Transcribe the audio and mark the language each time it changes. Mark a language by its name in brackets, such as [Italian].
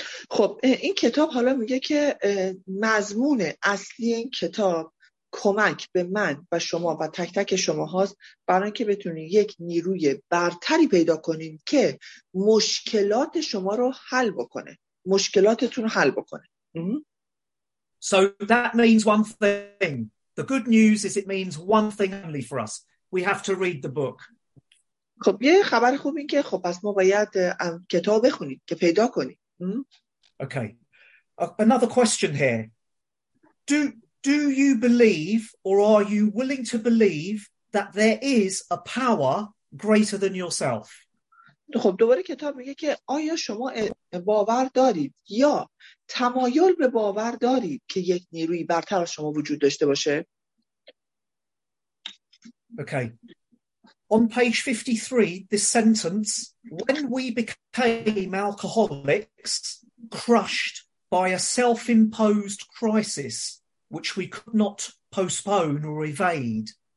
[Persian] خب این کتاب حالا میگه که مضمون اصلی این کتاب کمک به من و شما و تک تک شما هاست برای که بتونید یک نیروی برتری پیدا کنین که مشکلات شما رو حل بکنه مشکلاتتون رو حل بکنه [English] So that means one thing The good news is it means one thing only for us. We have to read the book. [Persian] خب یه خبر خوب این که خب پس ما باید کتاب بخونیم که پیدا کنیم. [English] Okay. Another question here. Do you believe or are you willing to believe that there is a power greater than yourself? [Persian] خب دوباره کتاب میگه که آیا شما باور دارید یا تمایل به باور دارید که یک نیروی برتر از شما وجود داشته باشه؟ [English] Okay. On page 53, this sentence, when we became alcoholics, crushed by a self-imposed crisis, which we could not postpone or evade.